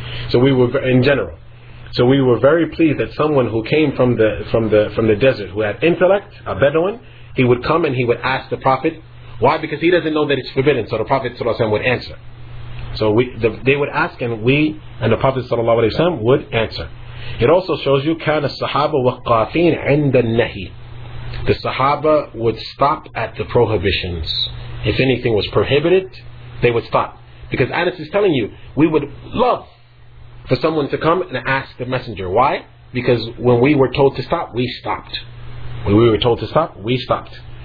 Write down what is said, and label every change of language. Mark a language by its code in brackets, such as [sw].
[en] So we were in general. So we were very pleased that someone who came from the desert, who had intellect, a Bedouin, he would come and he would ask the Prophet. Why? Because he doesn't know that it's forbidden. So the Prophet ﷺ would answer. So they would ask, and we and the Prophet ﷺ would answer. It also shows you [ar] كَانَ الصَّحَابَ وَقَافِينَ عِنْدَ النَّهِي. [en] The Sahaba would stop at the prohibitions. If anything was prohibited, they would stop. Because Anas is telling you, we would love for someone to come and ask the messenger. Why? Because when we were told to stop, we stopped. When we were told to stop, we stopped.